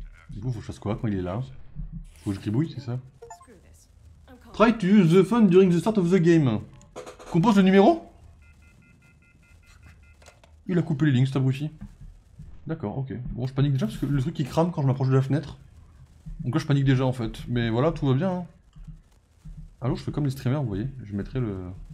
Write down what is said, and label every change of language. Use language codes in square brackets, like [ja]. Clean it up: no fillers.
[fr] Du coup, faut que je fasse quoi quand il est là? Faut que je gribouille, c'est ça? [en] Try to use the phone during the start of the game. [fr] Compose le numéro? Il a coupé les lignes, cet abruti. D'accord, ok. Bon, je panique déjà parce que le truc il crame quand je m'approche de la fenêtre. Donc là, je panique déjà en fait. Mais voilà, tout va bien. Hein. Allô, je fais comme les streamers, vous voyez. Je mettrai le.